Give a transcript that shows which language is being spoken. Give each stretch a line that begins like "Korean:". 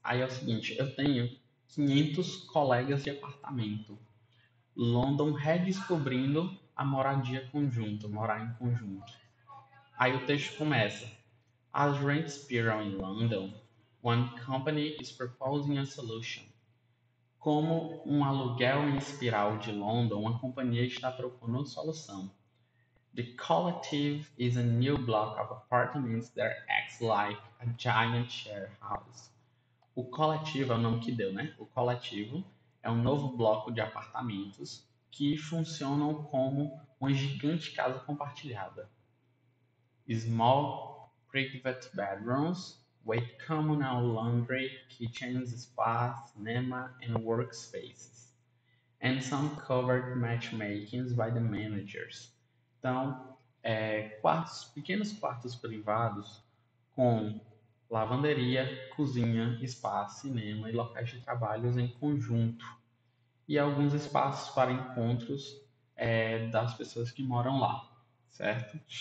Portuguese: Aí é o seguinte: eu tenho 500 colegas de apartamento, London redescobrindo a moradia conjunto, morar em conjunto. Aí o texto começa:
English: As rents spiral in London, one company is proposing a solution.
Portuguese: Como um aluguel em espiral de London, uma companhia está propondo uma solução.
English: The collective is a new block of apartments that acts like a giant share house.
Portuguese: O coletivo é o nome que deu, né? O coletivo é um novo bloco de apartamentos que funcionam como uma gigante casa compartilhada.
English: Small private bedrooms with communal laundry, kitchens, spas, cinema, and workspaces. And some covert matchmakings by the managers.
Portuguese: Então, pequenos quartos privados com lavanderia, cozinha, spa, cinema e locais de trabalhos em conjunto. E alguns espaços para encontros das pessoas que moram lá. Certo?